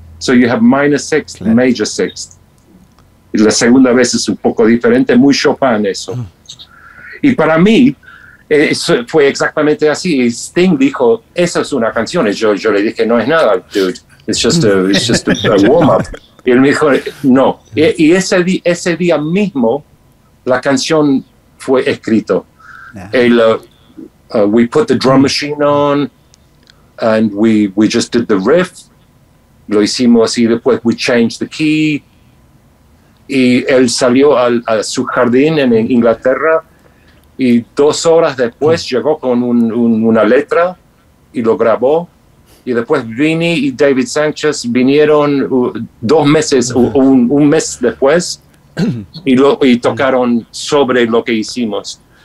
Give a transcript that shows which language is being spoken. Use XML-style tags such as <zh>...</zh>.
<en>So you have minor sixth,</en> <es>claro,</es> <en>major sixth.</en> <es>Y la segunda vez es un poco diferente, muy Chopin eso. Y para mí, eso fue exactamente así. Sting dijo, esa es una canción. Y yo le dije, no es nada,</es> <en>dude. It's just a warm-up.</en> <es>Y él me dijo, no. Y ese día mismo, la canción fue escrito.</es> <en>Yeah. We put the drum machine on, and we just did the riff.</en> <es>Lo hicimos así, después</es> <en>we changed the key.</en> <es>Y él salió a su jardín en Inglaterra. Y dos horas después llegó con una letra y lo grabó. y después Vinny y David Sánchez vinieron dos meses, un mes después, y tocaron sobre lo que hicimos.</es>